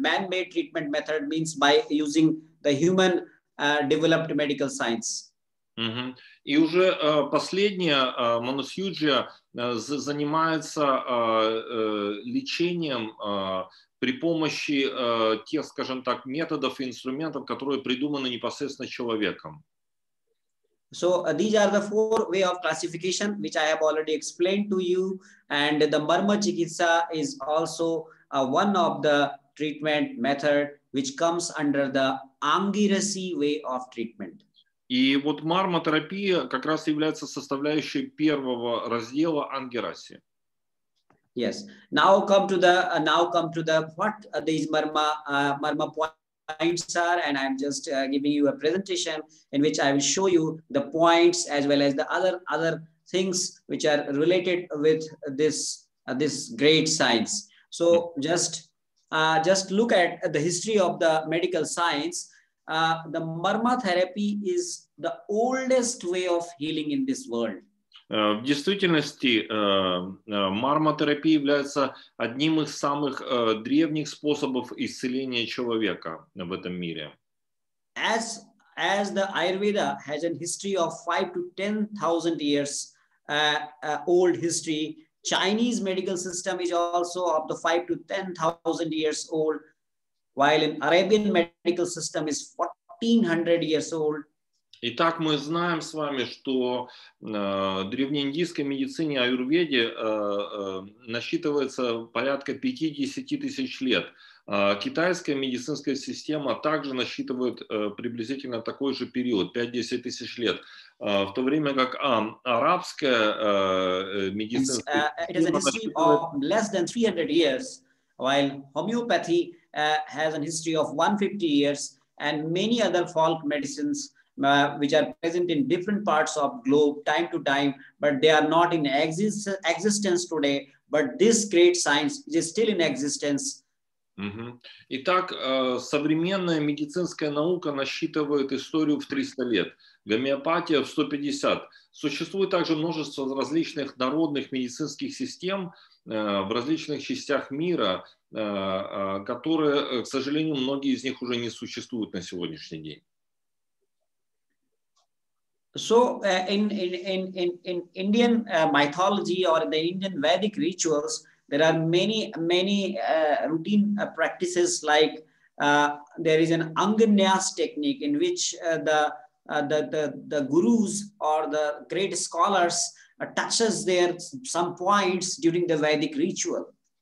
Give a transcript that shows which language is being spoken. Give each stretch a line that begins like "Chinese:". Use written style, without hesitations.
English: Man-made treatment method means by using the human developed medical science.
Russian: И уже последняя манусьюджа занимается лечением при помощи тех, скажем так, методов и инструментов, которые придуманы непосредственно человеком.
English: So these are the four way of classification which I have already explained to you, and the Марма чикитса is also one of the treatment method which comes under the Ангираси way of treatment.
Russian: И вот марма-терапия как раз является составляющей первого раздела Ангираси.
English: Yes. Now come to the what these marma points are, and I'm just giving you a presentation in which I will show you the points as well as the other things which are related with this great science. So just look at the history of the medical science. The marma therapy is the oldest way of healing in this world.
Russian: В действительности, марма-терапия является одним из самых древних способов исцеления человека в этом мире.
English: As the Ayurveda has a history of 5 to 10,000 years old history, Chinese medical system is also of the 5 to 10,000 years old, while an Arabian medical system is 1,400 years old.
Russian: Итак, мы знаем с вами, что древнеиндийской медицине аюрведе насчитывается порядка 50,000 лет. Китайская медицинская система также насчитывает приблизительно такой же период, 5-10,000 лет. В то время как арабская медицинская система...
English: It has a history of less than 300 years, while homeopathy has a history of 150 years, and many other folk medicines which are present in different parts of globe time to time, but they are not in existence today, but this great science is still in existence. Mm-hmm.
Russian: Итак, современная медицинская наука насчитывает историю в 300 лет, гомеопатия в 150. Существует также множество различных народных медицинских систем в различных частях мира, которые, к сожалению, многие из них уже не существуют на сегодняшний день.
English: So in Indian mythology or the Indian Vedic rituals, there are many routine practices like there is an Anganyas technique in which the gurus or the great scholars touches their some points during the Vedic ritual.